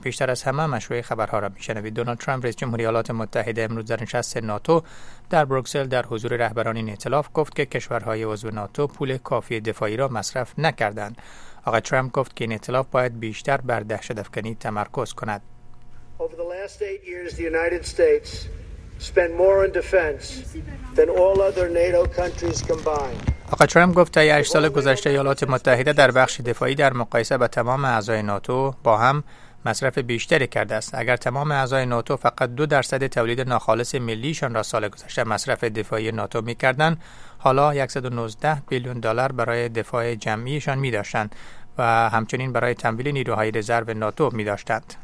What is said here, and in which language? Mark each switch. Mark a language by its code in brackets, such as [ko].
[fa] پیشتر از همه مشروع خبرها را میشنوید. دونالد ترامپ رئیس جمهور ایالات متحده امروز در نشست ناتو در بروکسل در حضور رهبران این ائتلاف گفت که کشورهای عضو ناتو پول کافی دفاعی را مصرف نکردند. آقای ترامپ گفت که این ائتلاف باید بیشتر بر دهشت‌افکنی تمرکز کند. [en] Over the last 8 years the United States spent more on defense than all other NATO countries combined. [fa] آقای ترامپ گفت طی 8 سال گذشته ایالات متحده در بخش دفاعی در مقایسه با تمام اعضای ناتو با هم مصرف بیشتری کرده است. اگر تمام اعضای ناتو فقط 2% تولید ناخالص ملیشان را سال گذشته مصرف دفاعی ناتو می کردند، حالا 119 بیلیون دلار برای دفاع جمعیشان می داشتند و همچنین برای تمویل نیروهای رزرو ناتو می داشتند.